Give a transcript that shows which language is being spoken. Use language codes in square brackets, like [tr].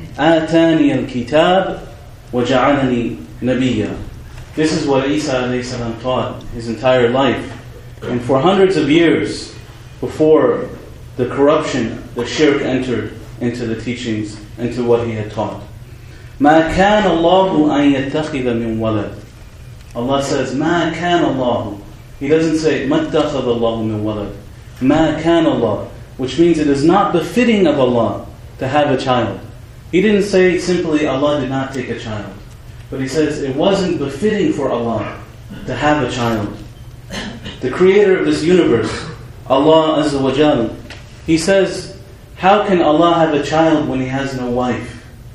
[ar] Atani al-kitab wa ja'alani nabiyya. [en] This is what Isa alayhi salam taught his entire life. And for hundreds of years before the corruption, the shirk entered into the teachings, into what he had taught. [ar] مَا كَانَ اللَّهُ أَن يَتَّخِذَ مِنْ وَلَدٍ. [en] Allah says, [ar] مَا كَانَ اللَّهُ. [en] He doesn't say, [ar] مَتَّخَذَ اللَّهُ مِنْ وَلَدٍ. مَا كَانَ اللَّهُ, [en] which means it is not befitting of Allah to have a child. He didn't say simply Allah did not take a child. But he says it wasn't befitting for Allah to have a child. The creator of this universe, Allah Azza wa Jal, he says, how can Allah have a child when He has no wife?